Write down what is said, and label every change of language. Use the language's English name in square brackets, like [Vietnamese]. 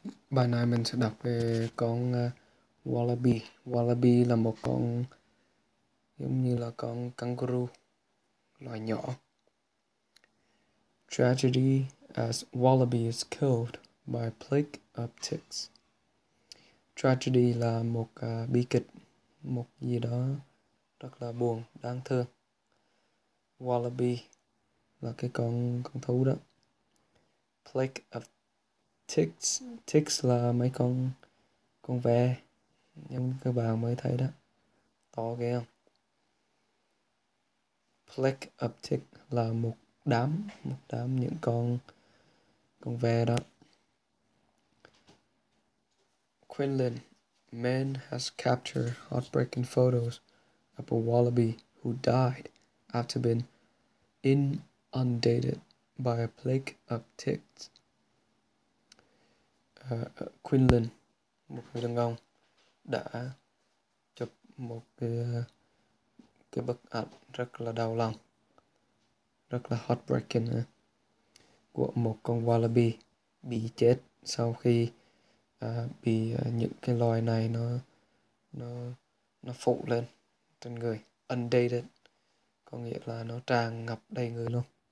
[Vietnamese] Bài này mình sẽ đọc về con Wallaby. Wallaby là một con giống như là con kangaroo, loài nhỏ. [English] Tragedy as Wallaby is killed by a plague of ticks. [Vietnamese] Tragedy là một bi kịch, một gì đó rất là buồn, đáng thương. Wallaby là cái con thú đó. [English] Plague of ticks, [Vietnamese] ticks là mấy con ve, nhưng các bạn mới thấy đó, to ghê không? [English] Plague of ticks [Vietnamese] là một đám những con ve đó. [English] Quinlan, man has captured heartbreaking photos of a wallaby who died after being inundated by a plague of ticks. [Vietnamese] Quinlan, một người đàn ông, đã chụp một cái bức ảnh rất là đau lòng, rất là heartbreaking của một con wallaby bị chết sau khi bị những cái loài này nó phụ lên trên người, undated, có nghĩa là nó tràn ngập đầy người luôn.